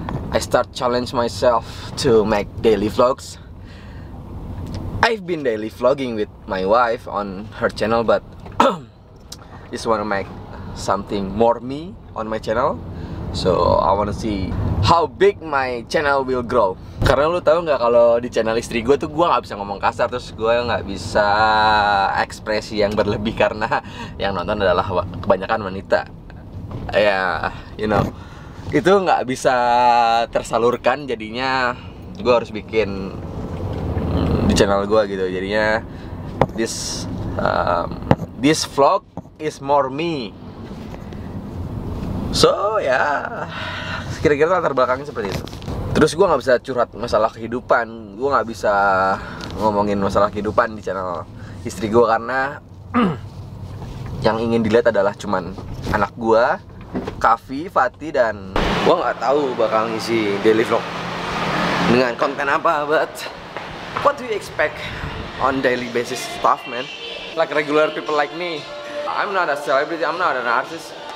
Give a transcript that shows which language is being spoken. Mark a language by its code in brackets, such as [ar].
[en] I start challenge myself to make daily vlogs. I've been daily vlogging with my wife on her channel, but just want to make something more me on my channel. So I want to see how big my channel will grow. [id] Karena lu tahu nggak kalau di channel istri gue tuh gue nggak bisa ngomong kasar, terus gue nggak bisa ekspresi yang berlebih karena yang nonton adalah kebanyakan wanita. Ya, [en] you know, [id] itu nggak bisa tersalurkan. Jadinya gue harus bikin di channel gue gitu. Jadinya [en] this vlog is more me. So ya, yeah, [id] kira-kira latar belakangnya seperti itu. Terus gue gak bisa curhat masalah kehidupan. Gue gak bisa ngomongin masalah kehidupan di channel istri gue. Karena yang ingin dilihat adalah cuman anak gue, Kavi, Fatih, dan gue gak tahu bakal ngisi daily vlog dengan konten apa. [en] But what do you expect on daily basis stuff, man? Like regular people like me. I'm not a celebrity, I'm not an artist.